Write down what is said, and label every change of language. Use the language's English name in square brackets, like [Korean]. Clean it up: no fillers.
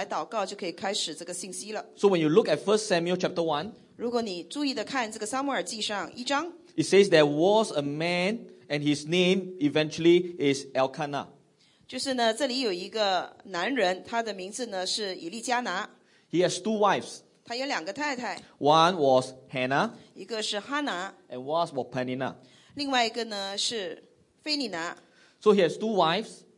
[Chinese] 我们给你一点点的背景，背景之后呢，我们来祷告，就可以开始这个信息了。 [English] So when you look at 1 Samuel chapter 1, [Chinese] 如果你注意的看这个撒母耳记上一章， [English] it says there was a man, and his name eventually is Elkanah. [Chinese] 就是呢，这里有一个男人，他的名字呢是以利加拿。 [English] He has two wives. [Chinese] 他有两个太太。 [English] One was Hannah. [Chinese] 一个是哈娜。 [English] And one was Penina. [Chinese] 另外一个呢是菲尼拿。 [English] So he has two wives.